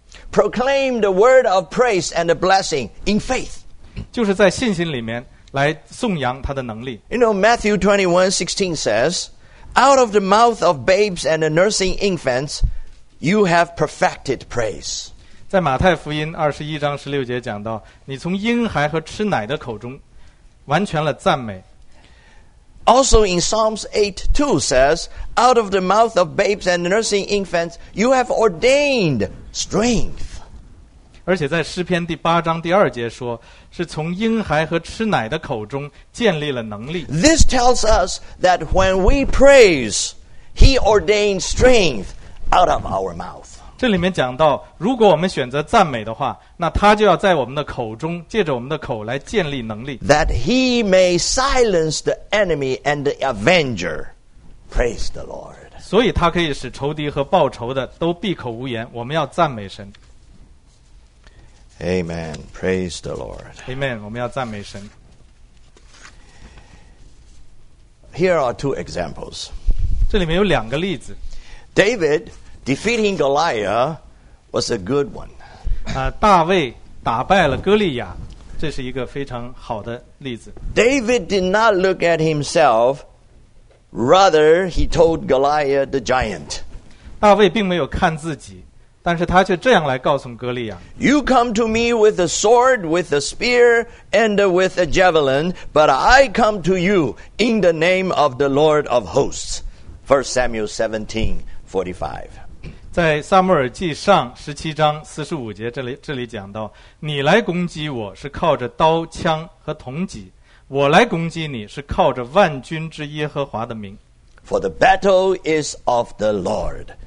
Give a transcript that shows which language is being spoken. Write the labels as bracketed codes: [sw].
[en] Proclaim the word of praise and blessing in faith. [zh] 就是在信心里面来颂扬他的能力。 [en] You know, Matthew 21:16 says, Out of the mouth of babes and nursing infants, you have perfected praise. [zh] 在马太福音21:16讲到，你从婴孩和吃奶的口中完全了赞美。 [en] Also in Psalms 8:2 says, Out of the mouth of babes and nursing infants, you have ordained strength. [zh] 而且在诗篇第八章第二节说，是从婴孩和吃奶的口中建立了能力。 [en] This tells us that when we praise, he ordained strength out of our mouth. [zh] 这里面讲到，如果我们选择赞美的话，那他就要在我们的口中，借着我们的口来建立能力。 [en] That he may silence the enemy and the avenger. Praise the Lord. [zh] 所以他可以使仇敌和报仇的都闭口无言，我们要赞美神。 [en] Amen, praise the Lord. [zh] Amen, 我们要赞美神。 [en] Here are two examples. [zh] 这里面有两个例子。 [en] David defeating Goliath was a good one. [zh] 大卫打败了哥利亚，这是一个非常好的例子。 [en] David did not look at himself. Rather, he told Goliath the giant. [zh] 大卫并没有看自己，但是他却这样来告诉哥利亚。 [en] You come to me with a sword, with a spear, and with a javelin, but I come to you in the name of the Lord of hosts. 1 Samuel 17:45. [zh] 在撒母耳记上17:45这里讲到，你来攻击我是靠着刀枪和铜戟。我来攻击你是靠着万军之耶和华的名。 [en] For the battle is of the Lord.